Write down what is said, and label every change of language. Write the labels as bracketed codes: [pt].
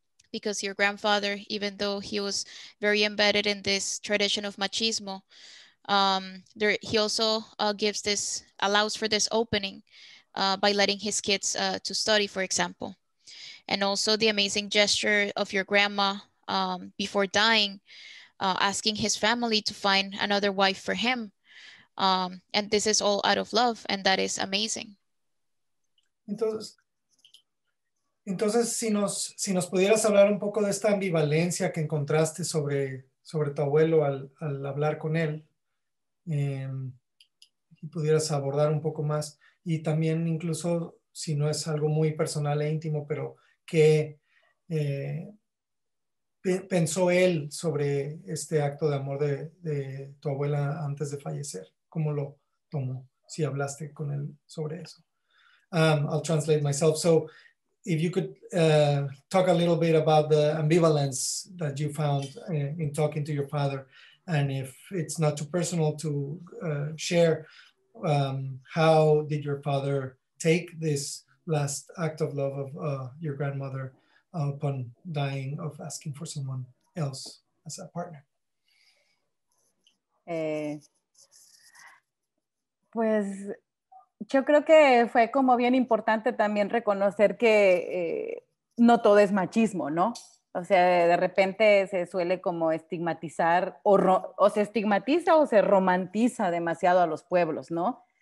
[en] Because your grandfather, even though he was very embedded in this tradition of machismo, he also allows for this opening by letting his kids to study, for example. And also the amazing gesture of your grandma before dying, asking his family to find another wife for him. And this is all out of love, and that is amazing. [es] Entonces si nos pudieras hablar un poco de esta ambivalencia que encontraste sobre tu abuelo al hablar con él, y pudieras abordar un poco más, y también incluso si no es algo muy personal e íntimo, pero ¿qué pensó él sobre este acto de amor de tu abuela antes de fallecer? ¿Cómo lo tomó? Si hablaste con él sobre eso. [en] I'll translate myself. So if you could talk a little bit about the ambivalence that you found in talking to your father, and if it's not too personal to share, how did your father take this last act of love of your grandmother upon dying, of asking for someone else as a partner? [es] Pues yo creo que fue como bien importante también reconocer que no todo es machismo, ¿no? O sea, de repente se suele como estigmatizar, o se estigmatiza o se romantiza demasiado a los pueblos, ¿no?